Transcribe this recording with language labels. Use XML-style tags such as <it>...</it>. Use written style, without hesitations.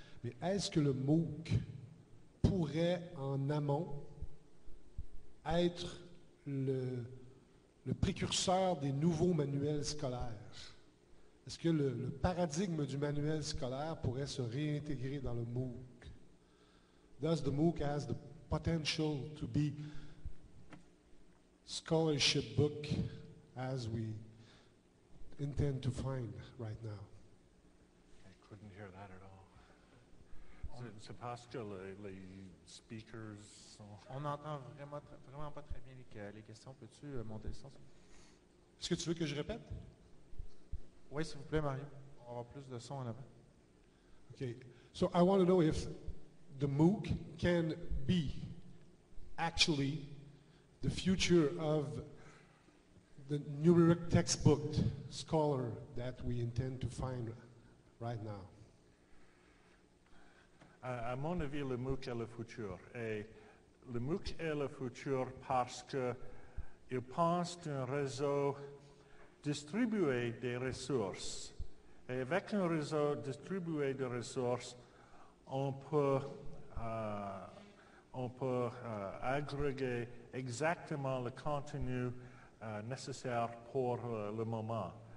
<fr>Mais est-ce que le MOOC pourrait, en amont, être le précurseur des nouveaux manuels scolaires? Est-ce que le paradigme du manuel scolaire pourrait se réintégrer dans le MOOC?</fr> <en>Does the MOOC has the potential to be scholarship book as we intend to find right now? I couldn't hear that at all.</en> <fr>C'est parce que les speakers sont... On entend vraiment pas très bien les questions. Peux-tu monter le son? Est-ce que tu veux que je répète? Oui, s'il vous plaît, Mario. On aura plus de son en avant.</fr> <en>Okay. So I want to know if the MOOC can be actually the future of the numeric textbook scholar that we intend to find right now.</en> <fr>À mon avis, le MOOC est le futur. Et le MOOC est le futur parce que il pense d'un réseau distribuer des ressources. Et avec un réseau distribué de ressources, on peut agréger exactement le contenu nécessaire pour le moment.</fr>